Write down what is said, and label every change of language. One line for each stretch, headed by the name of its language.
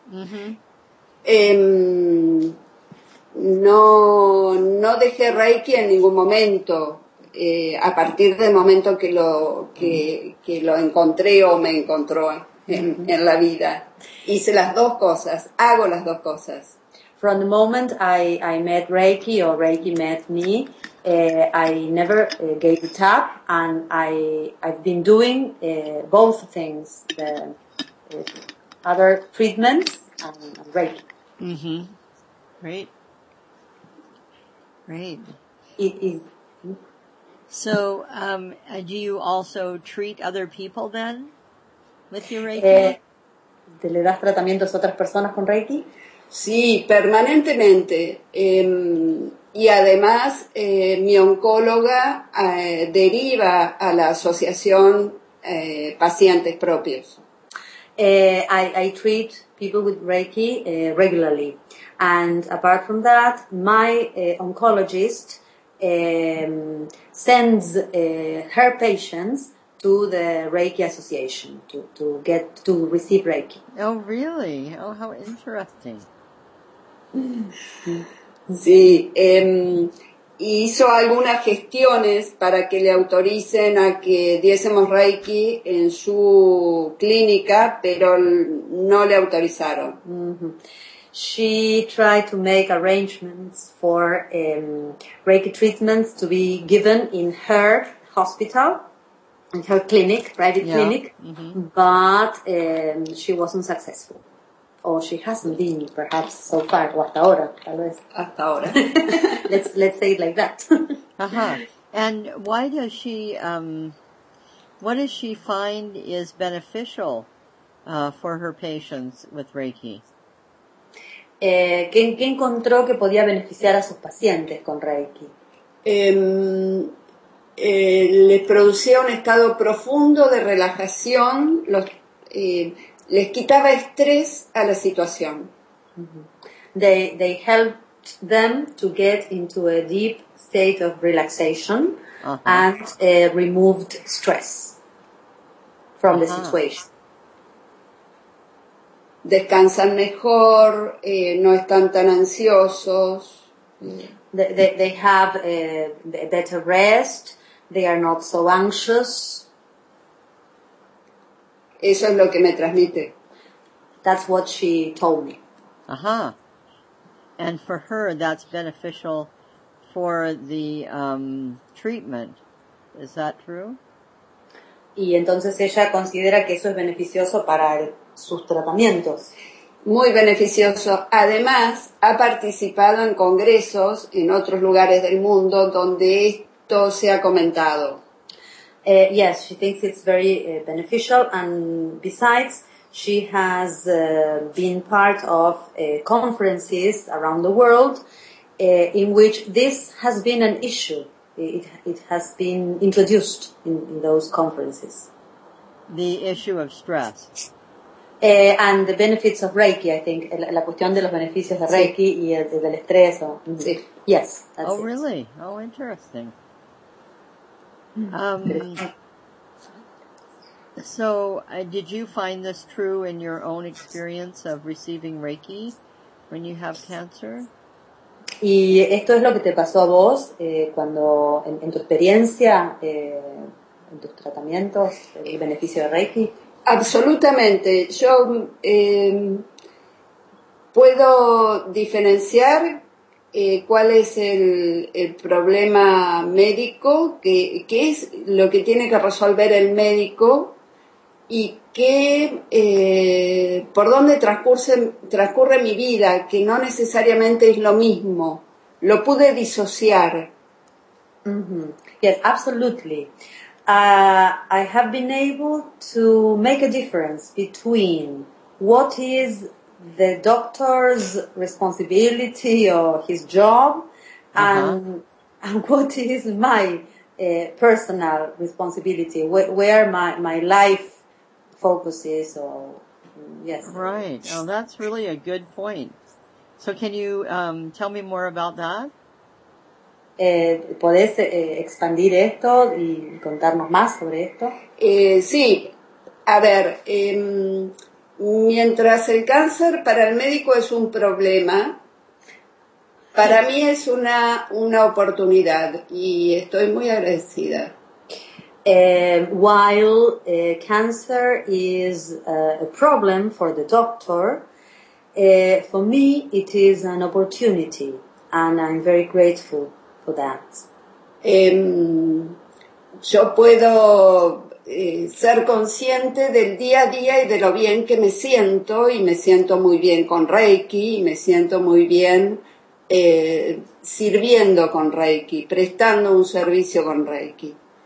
Spanish: Mm-hmm. No dejé Reiki en ningún momento. A partir del momento que lo encontré o me encontró en la vida. Hice las dos cosas, hago las dos cosas.
English: From the moment I met Reiki or Reiki met me, I never gave it up, and I've been doing both things, the other treatments and Reiki. Mm-hmm. Great. Great. It is. So, do you also treat other people then with your Reiki?
Spanish: ¿Te le das tratamientos a otras personas con Reiki? Sí, permanentemente. Y además, mi oncóloga deriva a la asociación pacientes propios.
English: I treat people with Reiki regularly. And apart from that, my oncologist sends her patients to the Reiki Association to receive Reiki. Oh, really? Oh, how interesting.
Spanish: Sí, hizo algunas gestiones para que le autoricen a que diésemos Reiki en su clínica, pero no le autorizaron.
English: She tried to make arrangements for Reiki treatments to be given in her hospital, in her clinic, private clinic, but she wasn't successful. Or she hasn't been, perhaps, so far,
Spanish: o hasta ahora, tal vez. Hasta ahora.
English: let's say it like that. Uh-huh. And why does she, what does she find is beneficial for her patients with Reiki?
Spanish: ¿Qué encontró que podía beneficiar a sus pacientes con Reiki? Les producía un estado profundo de relajación, les quitaba estrés a la situación. Mm-hmm.
English: They helped them to get into a deep state of relaxation and removed stress from the situation.
Spanish: Descansan mejor, no están tan ansiosos.
English: They have a better rest, they are not so anxious.
Spanish: Eso es lo que me transmite.
English: That's what she told me. Aha. Uh-huh. And for her, that's beneficial for the treatment. Is that true?
Spanish: Y entonces ella considera que eso es beneficioso para sus tratamientos. Muy beneficioso. Además, ha participado en congresos en otros lugares del mundo donde esto se ha comentado.
English: Yes, she thinks it's very beneficial, and besides, she has been part of conferences around the world in which this has been an issue. It has been introduced in those conferences. The issue of stress. And the benefits of Reiki, I think.
Spanish: La cuestión de los beneficios de Reiki y del estrés.
English: Yes. That's oh, really? Oh, interesting. So, did you find this true in your own experience of receiving Reiki when you have cancer?
Spanish: ¿Y esto es lo que te pasó a vos cuando en tu experiencia, en tus tratamientos, el beneficio de Reiki? Absolutamente. Yo puedo diferenciar cuál es el problema médico, qué es lo que tiene que resolver el médico y qué por dónde transcurre mi vida, que no necesariamente es lo mismo. Lo pude disociar.
English: Mm-hmm. Yes, absolutely. I have been able to make a difference between what is the doctor's responsibility or his job and what is my personal responsibility, where my life focuses. Right. Oh, that's really a good point. So can you tell me more about that?
Spanish: ¿Podés expandir esto y contarnos más sobre esto? Sí, a ver, mientras el cáncer para el médico es un problema, Para mí es una oportunidad y estoy muy agradecida.
English: While cancer is a problem for the doctor, for me it is an opportunity, and I'm very grateful for that.
Spanish: Yo puedo ser consciente del día a día y de lo bien que me siento, y me siento muy bien con Reiki, y me siento muy bien sirviendo con Reiki, prestando un servicio con Reiki.